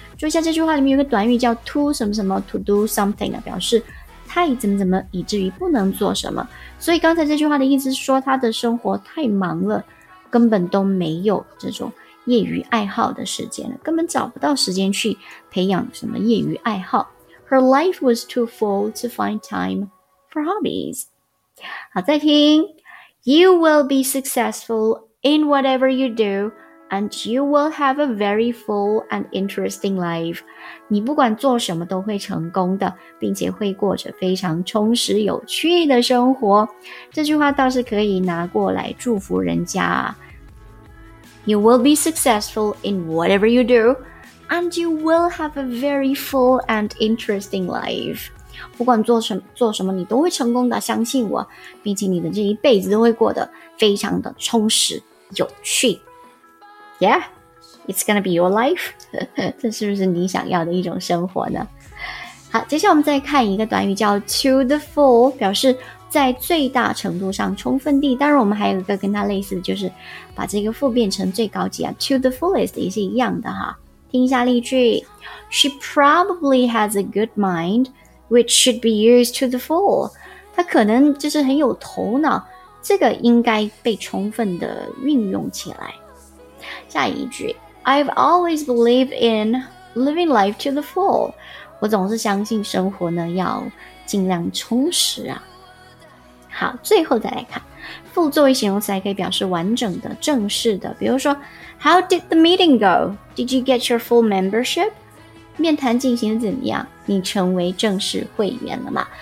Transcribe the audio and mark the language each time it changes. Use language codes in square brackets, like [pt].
[zh] 注意一下这句话里面有个短语叫 too 什么什么 to do something， 表示太怎么怎么以至于不能做什么。所以刚才这句话的意思是说他的生活太忙了，根本都没有这种业余爱好的时间了，根本找不到时间去培养什么业余爱好。 [en] Her life was too full to find time for hobbies。 [zh] 好，再听， [en] You will be successful in whatever you do and you will have a very full and interesting life。 [zh] 你不管做什么都会成功的，并且会过着非常充实有趣的生活。这句话倒是可以拿过来祝福人家。 [en] You will be successful in whatever you do and you will have a very full and interesting life。 [zh] 不管做什么你都会成功的，相信我，并且你的这一辈子都会过得非常的充实有趣。 [en] Yeah? It's gonna be your life. [zh] 这是不是你想要的一种生活呢？好，接下来我们再看一个短语叫 to the full， 表示在最大程度上充分地。当然我们还有一个跟它类似的，就是把这个 full 变成最高级啊， to the fullest 也是一样的哈。听一下例句， [en] She probably has a good mind which should be used to the full. [zh] 它可能就是很有头脑，这个应该被充分的运用起来。下一句， [en] I've always believed in living life to the full. [zh] 我总是相信生活呢要尽量充实啊。好，最后再来看，副作为形容词还可以表示完整的、正式的。比如说 [en] ，How did the meeting go? Did you get your full membership? [zh] 面谈进行怎么样？你成为正式会员了吗？